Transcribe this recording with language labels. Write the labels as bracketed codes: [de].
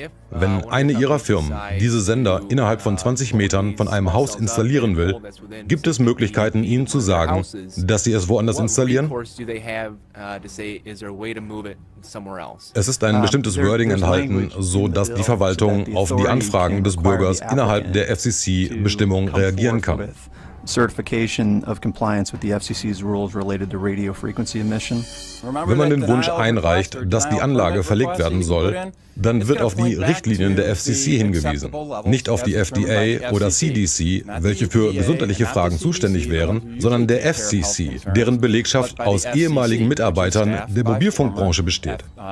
[de] Wenn eine ihrer Firmen diese Sender innerhalb von 20 Metern von einem Haus installieren will, gibt es Möglichkeiten, ihnen zu sagen, dass sie es woanders installieren? Es ist ein bestimmtes Wording enthalten, so dass die Verwaltung auf die Anfragen des Bürgers innerhalb der FCC-Bestimmung reagieren kann. [en] Certification of compliance with the FCC's rules related to radio frequency emission. [de] Wenn man den Wunsch einreicht, dass die Anlage verlegt werden soll, dann wird auf die Richtlinien der FCC hingewiesen, nicht auf die FDA oder CDC, welche für gesundheitliche Fragen zuständig wären, sondern der FCC, deren Belegschaft aus ehemaligen Mitarbeitern der Mobilfunkbranche besteht.